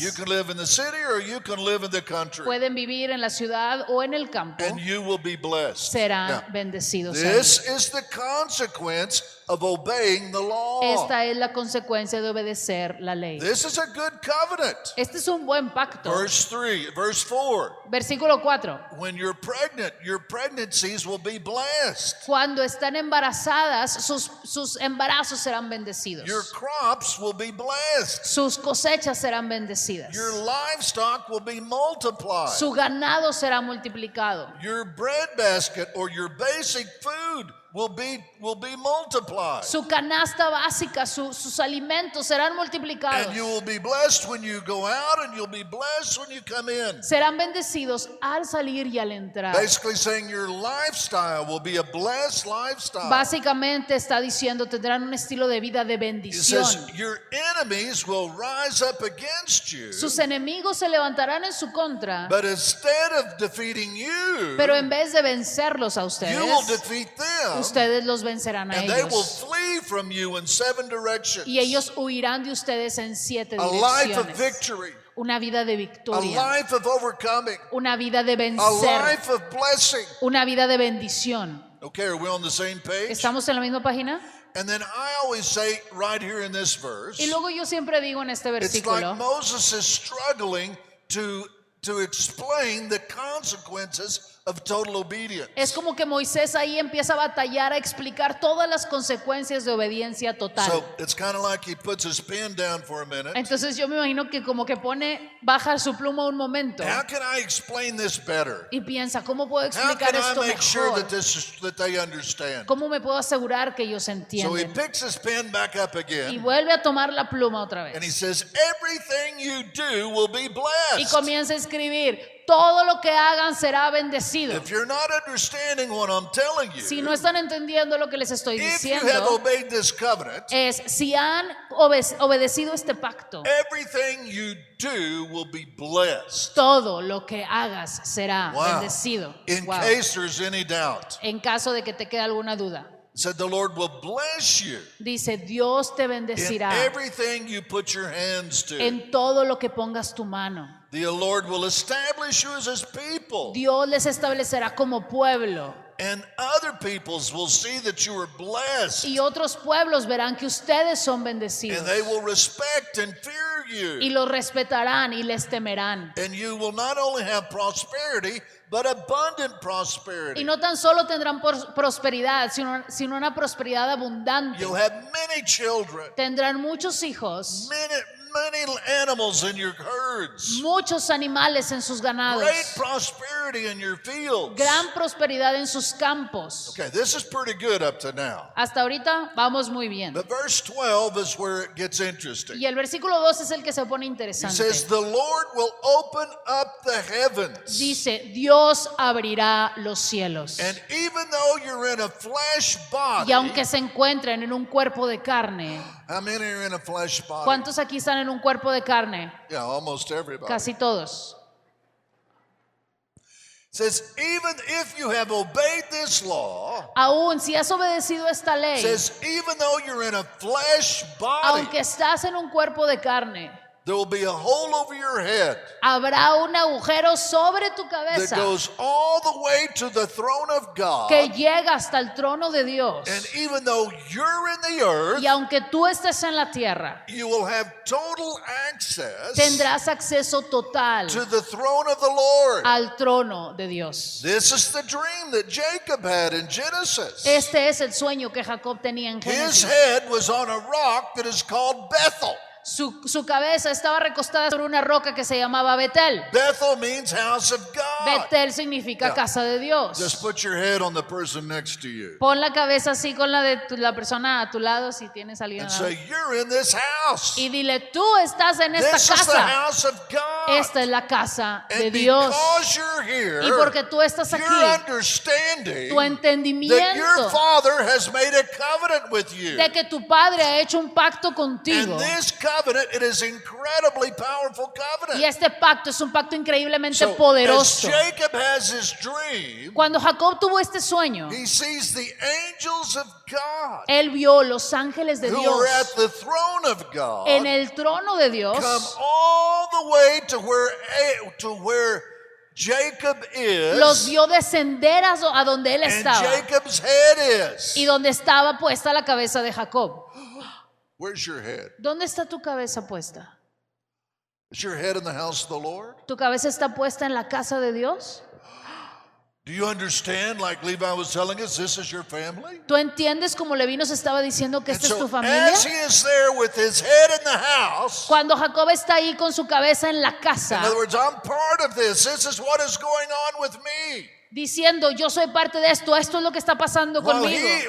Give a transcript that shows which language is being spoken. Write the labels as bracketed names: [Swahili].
[English] You can live in the city or you can live in the country. [Spanish] Pueden vivir en la ciudad o en el campo. [English] And you will be blessed. [Spanish] Serán bendecidos. [English] This is the consequence of obeying the law. [Spanish] Esta es la consecuencia de obedecer la ley. [English] This is a good covenant. [Spanish] Este es un buen pacto. [English] Verse 3, verse 4. [Spanish] Versículo 4. [English] When you're pregnant, your pregnancies will be blessed. [Spanish] Cuando están embarazadas, sus embarazos serán bendecidos. [English] Your crops will be blessed. [Spanish] Sus cosechas serán bendecidas. [English] Your livestock will be multiplied. [Spanish] Su ganado será multiplicado. [English] Your bread basket or your basic food will be multiplied. [Spanish] Su canasta básica, sus alimentos serán multiplicados. [English] And you will be blessed when you go out, and you'll be blessed when you come in. [Spanish] Serán bendecidos al salir y al entrar. [English] Basically saying your lifestyle will be a blessed lifestyle. [Spanish] Básicamente está diciendo tendrán un estilo de vida de bendición. [English] He says your enemies will rise up against you. [Spanish] Sus enemigos se levantarán en su contra. [English] But instead of defeating you, [Spanish] pero en vez de vencerlos a ustedes, [English] you will defeat them. [Spanish] Ustedes los vencerán a [English] and [Spanish] ellos. [English] They will flee from you in seven directions. [Spanish] Y ellos huirán de ustedes en siete a direcciones. [English] Life of victory. [Spanish] Una vida de victoria. [English] A life of overcoming. [Spanish] Una vida de vencer. [English] A life of blessing. [Spanish] Una vida de bendición. [English] Okay, are we on the same page? [Spanish] ¿Estamos en la misma página? [English] And then I always say right here in this verse. [Spanish] Y luego yo siempre digo en este versículo. [English] It's like Moses is struggling to explain the consequences of total obedience. [Spanish] Es como que Moisés ahí empieza a batallar a explicar todas las consecuencias de obediencia total. [English] So it's kind of like he puts his pen down for a minute. [Spanish] Entonces yo me imagino que como que pone baja su pluma un momento. [English] How can I explain this better? [Spanish] Y piensa cómo puedo explicar esto mejor. [English] How can I make sure that they understand? [Spanish] ¿Cómo me puedo asegurar que ellos entienden? [English] So he picks his pen back up again. [Spanish] Y vuelve a tomar la pluma otra vez. [English] And he says everything you do will be blessed. [Spanish] Y comienza a escribir. Todo lo que hagan será bendecido. [English] If you're not understanding what I'm telling you, [Spanish] si no están entendiendo lo que les estoy diciendo, [English] if you have obeyed this covenant, [Spanish] es si han obedecido este pacto, [English] everything you do will be blessed. [Spanish] Todo lo que hagas será [English] wow. [Spanish] bendecido. [English] In wow. case there's any doubt, [Spanish] en caso de que te quede alguna duda, [English] said the Lord will bless you. [Spanish] Dice Dios te bendecirá. [English] In everything you put your hands to. [Spanish] En todo lo que pongas tu mano. [English] The Lord will establish you as His people. [Spanish] Dios les establecerá como pueblo. [English] And other peoples will see that you are blessed. [Spanish] Y otros pueblos verán que ustedes son bendecidos. [English] And they will respect and fear you. [Spanish] Y los respetarán y les temerán. [English] And you will not only have prosperity, but abundant prosperity. [Spanish] Y no tan solo tendrán prosperidad, sino una prosperidad abundante. [English] You'll have many children. [Spanish] Tendrán muchos hijos. [English] Many animals in your herds. [Spanish] Muchos animales en sus ganados. [English] Great prosperity in your fields. [Spanish] Gran prosperidad en sus campos. [English] Okay, this is pretty good up to now. [Spanish] Hasta ahorita vamos muy bien. [English] But verse 12 is where it gets interesting. [Spanish] Y el versículo 12 es el que se pone interesante. [English] It says, "The Lord will open up the heavens." [Spanish] Dice, Dios abrirá los cielos. [English] And even though you're in a flesh body. [Spanish] Y aunque se encuentren en un cuerpo de carne. [English] How many are in a flesh body? [Spanish] ¿Cuántos aquí están en un cuerpo de carne? [English] Yeah, almost everybody. [Spanish] Casi todos. [English] It says, even if you have obeyed this law, [Spanish] aún si has obedecido esta ley, [English] says, even though you're in a flesh body, [Spanish] aunque estás en un cuerpo de carne, [English] there will be a hole over your head. [Spanish] Habrá un agujero sobre tu cabeza. [English] That goes all the way to the throne of God. [Spanish] Que llega hasta el trono de Dios. [English] And even though you're in the earth, [Spanish] y aunque tú estés en la tierra, [English] you will have total access. [Spanish] Tendrás acceso total. [English] To the throne of the Lord. [Spanish] Al trono de Dios. [English] This is the dream that Jacob had in Genesis. [Spanish] Este es el sueño que Jacob tenía en Génesis. [English] His head was on a rock that is called Bethel. [Spanish] Su cabeza estaba recostada sobre una roca que se llamaba Betel. [English] Bethel means house of God. [Spanish] Betel significa [English] yeah. [Spanish] casa de Dios. [English] Just put your head on the person next to you. [Spanish] Pon la cabeza así con la de la persona a tu lado si tienes alguien. [English] And say you're in this house. [Spanish] Y dile tú estás en esta [English] this [Spanish] casa. [English] This is the house of God. [Spanish] Esta es la casa [English] and [Spanish] de Dios. [English] Because you're here, [Spanish] y porque tú estás aquí, [English] you're understanding [Spanish] tu entendimiento [English] that your father has made a covenant with you. [Spanish] De que tu padre ha hecho un pacto contigo. [English] And this covenant, it is incredibly powerful covenant. [Spanish] Y este pacto es un pacto increíblemente [English] so, [Spanish] poderoso. [English] As Jacob has his dream, [Spanish] cuando Jacob tuvo este sueño, [English] he sees the angels of God, [Spanish] él vio los ángeles de [English] who [Spanish] Dios, [English] are at the throne of God, [Spanish] en el trono de Dios, [English] come all the way to where Jacob is, [Spanish] los vio descender a donde él estaba, [English] and Jacob's head is, [Spanish] y donde estaba puesta la cabeza de Jacob. [English] Where's your head? [Spanish] ¿Dónde está tu cabeza puesta? [English] Is your head in the house of the Lord? [Spanish] ¿Tu cabeza está puesta en la casa de Dios? [English] Do you understand, like Levi was telling us, this is your family? [Spanish] ¿Tú entiendes como Levi nos estaba diciendo que esta es tu familia? [English] As he is there with his head in the house, [Spanish] cuando Jacob está ahí con su cabeza en la casa, [English] in other words, I'm part of this. This is what is going on with me. [Spanish] diciendo yo soy parte de esto, esto es lo que está pasando conmigo.